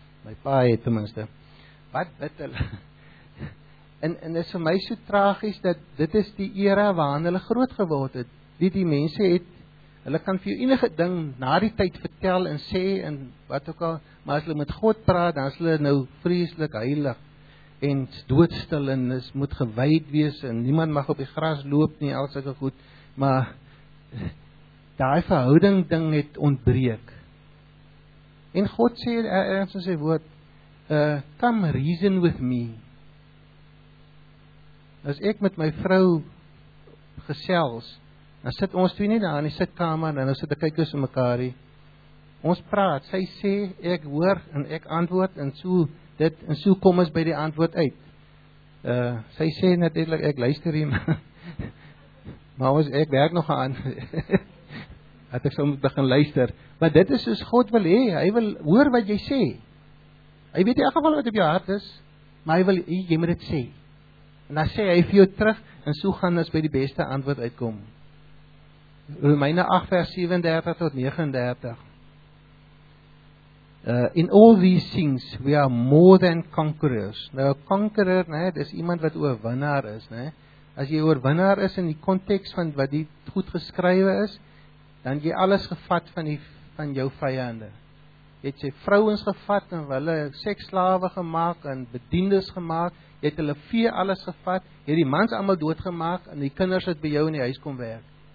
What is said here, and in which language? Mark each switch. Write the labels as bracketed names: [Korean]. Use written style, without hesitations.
[Afrikaans] My pa het ten minste wat bid hulle. En dit is vir my so tragies dat dit is die era waarin hulle groot geword het. Die mense het, hulle kan vir jou enige ding na die tyd vertel en sê en wat ook al, maar as hulle met God praat, dan is hulle nou vreeslik heilig en doodstil en is, moet gewyd wees en niemand mag op die gras loop nie, al sulke goed. Maar daai verhouding ding het ontbreek. En God sê ergens in sy woord, come reason with me. As ek met my vrou gesels, dan sit ons twee nie daar in die sitkamer, dan sit ek kyk ons in mekaar. Ons praat, sy sê, ek hoor en ek antwoord en so dit en so kom ons by die antwoord uit. Sy sê natuurlik ek luister nie. Maar ons ek werk nog aan. Dat ek sou moet begin luister, want dit is soos God wil hê, hy wil hoor wat jy sê. Hy weet in elk geval wat op jou hart is, maar hy wil jy moet dit sê. En dan sê hy vir jou terug, en so gaan ons by die beste antwoord uitkom. Romeine 8 vers 37 tot 39. [English] In all these things we are more than conquerors. [Afrikaans] Nou, conqueror, nee, dis iemand wat oorwinnaar is. Nee. As jy oorwinnaar is in die context van wat die goed geskrywe is, dan jy alles gevat van jou vijande. Jy het sy vrouens gevat en hulle seksslawe gemaak en bedienders gemaak. Jy het hulle vee alles gevat, jy het die mans allemaal doodgemaak en die kinders het by jou in die huis kom werk.